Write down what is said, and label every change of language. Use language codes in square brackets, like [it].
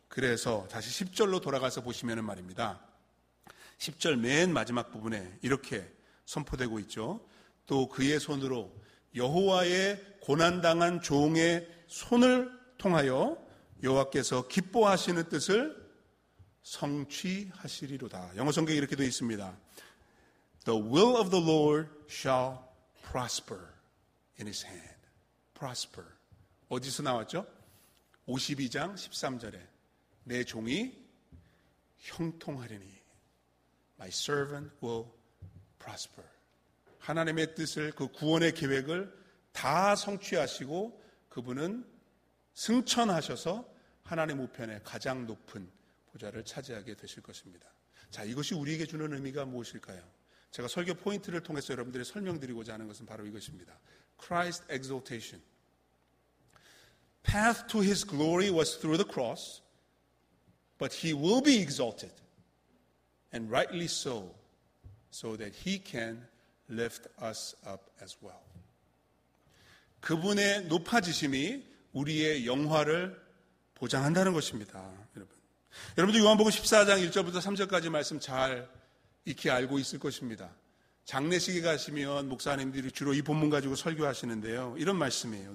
[ko] 그래서 다시 10절로 돌아가서 보시면은 말입니다. 10절 맨 마지막 부분에 이렇게 선포되고 있죠. 또 그의 손으로 여호와의 고난당한 종의 손을 통하여 여호와께서 기뻐하시는 뜻을 성취하시리로다. 영어성경이 이렇게 되어 있습니다. [en] The will of the Lord shall prosper in his hand. [ko] Prosper. 어디서 나왔죠? 52장 13절에 내 종이 형통하리니. [en] My servant will prosper. [ko] 하나님의 뜻을, 그 구원의 계획을 다 성취하시고 그분은 승천하셔서 하나님 우편에 가장 높은 보좌를 차지하게 되실 것입니다. 자, 이것이 우리에게 주는 의미가 무엇일까요? 제가 설교 포인트를 통해서 여러분들이 설명드리고자 하는 것은 바로 이것입니다. [en] Christ exaltation. Path to his glory was through the cross, but he will be exalted, and rightly so, so that he can lift us up as well. [ko] 그분의 높아지심이 우리의 영화를 보장한다는 것입니다. 여러분. 여러분들 요한복음 14장 1절부터 3절까지 말씀 잘 익히 알고 있을 것입니다. 장례식에 가시면 목사님들이 주로 이 본문 가지고 설교하시는데요. 이런 말씀이에요.